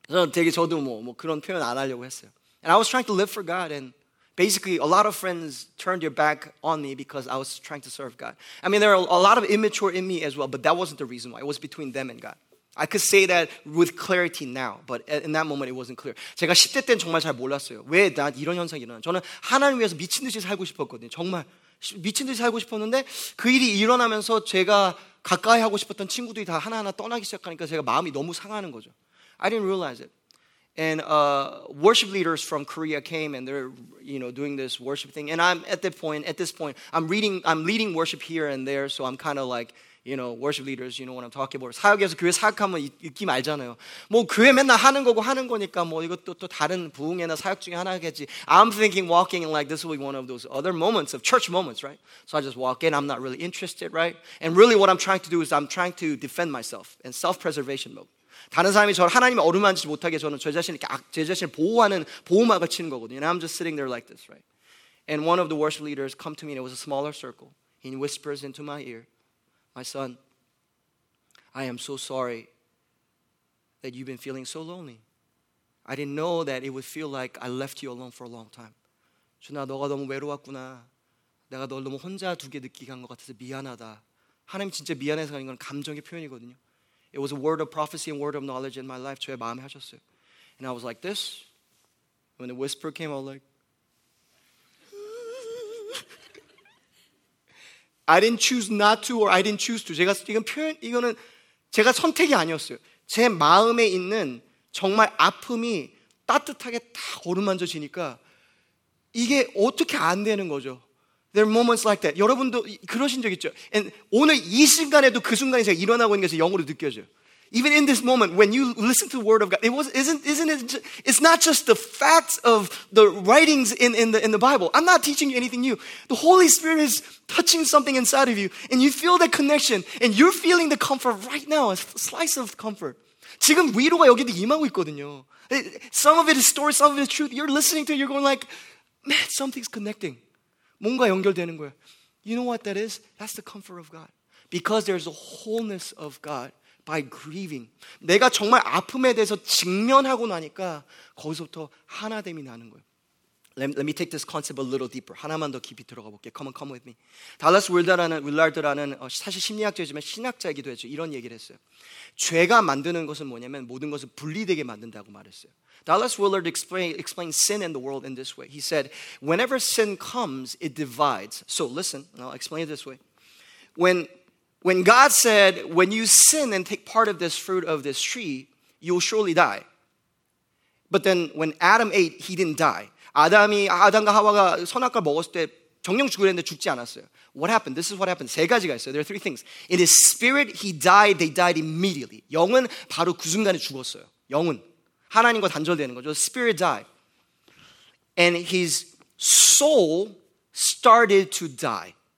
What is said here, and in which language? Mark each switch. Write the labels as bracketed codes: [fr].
[ko] 되게 저도 뭐 그런 표현 안 하려고 했어요. [en] And I was trying to live for God, and basically, a lot of friends turned their back on me because I was trying to serve God. I mean, there are a lot of immature in me as well, but that wasn't the reason why. It was between them and God. I could say that with clarity now, but in that moment, it wasn't clear. [ko] 제가 10대 때는 정말 잘 몰랐어요. 왜 나 이런 현상이 일어나? 저는 하나님 위해서 미친 듯이 살고 싶었거든요. 정말 미친 듯이 살고 싶었는데 그 일이 일어나면서 제가 가까이 하고 싶었던 친구들이 다 하나하나 떠나기 시작하니까 제가 마음이 너무 상하는 거죠. [en] I didn't realize it. And worship leaders from Korea came and they're, you know, doing this worship thing. And I'm at this point, I'm leading worship here and there. So I'm kind of like, you know, worship leaders, you know what I'm talking about. [ko] 사역에서 교회 사역하면 느낌 알잖아요. 뭐 교회 맨날 하는 거고 하는 거니까 뭐 이것도 또 다른 부흥회나 사역 중에 하나겠지. [en] I'm thinking walking like this will be one of those other moments of church moments, right? So I just walk in. I'm not really interested, right? And really what I'm trying to do is I'm trying to defend myself in self-preservation mode. [ko] 다른 사람이 저 하나님의 어루만지지 못하게 저는 제 자신을 제 자신을 보호하는 보호막을 치는 거거든요. [en] And I'm just sitting there like this, right? And one of the worship leaders come to me, and it was a smaller circle. He whispers into my ear, "My son, I am so sorry that you've been feeling so lonely. I didn't know that it would feel like I left you alone for a long time. [ko] 주나 너가 너무 외로웠구나. 내가 너를 너무 혼자 두게 느끼게 한 것 같아서 미안하다. 하나님 진짜 미안해서 하는 건 감정의 표현이거든요." [en] It was a word of prophecy and word of knowledge in my life. [ko] 저의 마음에 하셨어요. [en] And I was like this. When the whisper came, I was like. I didn't choose not to or I didn't choose to. [ko] 제가 이건 표현, 이거는 제가 선택이 아니었어요. 제 마음에 있는 정말 아픔이 따뜻하게 딱 어루만져지니까 이게 어떻게 안 되는 거죠? [en] There are moments like that. [ko] 여러분도 그러신 적 있죠? And 오늘 이 순간에도 그 순간이 제가 일어나고 있는 것이 영으로 느껴져요. [en] Even in this moment, when you listen to the word of God, it's not just the facts of the writings in the Bible. I'm not teaching you anything new. The Holy Spirit is touching something inside of you, and you feel that connection, and you're feeling the comfort right now, a slice of comfort. [ko] 지금 위로가 여기도 임하고 있거든요. [en] Some of it is story, some of it is truth. You're listening to it, you're going like, man, something's connecting. [ko] 뭔가 연결되는 거야. [en] You know what that is? That's the comfort of God. Because there's a wholeness of God by grieving. [ko] 내가 정말 아픔에 대해서 직면하고 나니까 거기서부터 하나됨이 나는 거야. [en] Let me take this concept a little deeper. [ko] 하나만 더 깊이 들어가 볼게. [en] Come on, come with me. [ko] 달라스 윌라드라는 사실 심리학자이지만 신학자이기도 했죠. 이런 얘기를 했어요. 죄가 만드는 것은 뭐냐면 모든 것을 분리되게 만든다고 말했어요. [en] Dallas Willard explained sin in the world in this way. He said, whenever sin comes, it divides. So listen, I'll explain it this way. When God said, when you sin and take part of this fruit of this tree, you'll surely die. But then when Adam ate, he didn't die. [ko] 아담과 하와가 선악과를 먹었을 때 정녕 죽으랬는데 죽지 않았어요. [en] What happened? This is what happened. [ko] 세 가지가 있어요. [en] There are three things. In his spirit, he died. They died immediately. [ko] 영은 바로 그 순간에 죽었어요. 영은. 하나님과 단절되는 거죠. [en] Spirit died. And his soul started to die.